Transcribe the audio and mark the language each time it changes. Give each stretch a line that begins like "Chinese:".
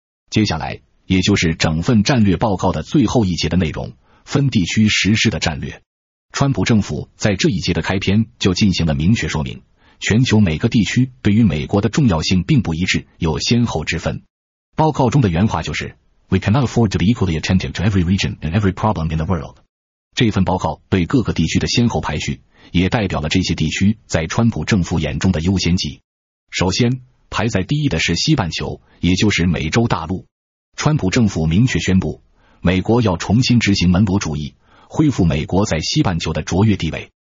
Chinese: 接下来，也就是整份战略报告的最后一节的内容，分地区实施的战略。川普政府在这一节的开篇就进行了明确说明，全球每个地区对于美国的重要性并不一致，有先后之分。报告中的原话就是
English: We cannot afford to be equally attentive to every region and every problem in the world。
Chinese: 这份报告对各个地区的先后排序也代表了这些地区在川普政府眼中的优先级。首先排在第一的是西半球，也就是美洲大陆。川普政府明确宣布，美国要重新执行门罗主义，恢复美国在西半球的卓越地位。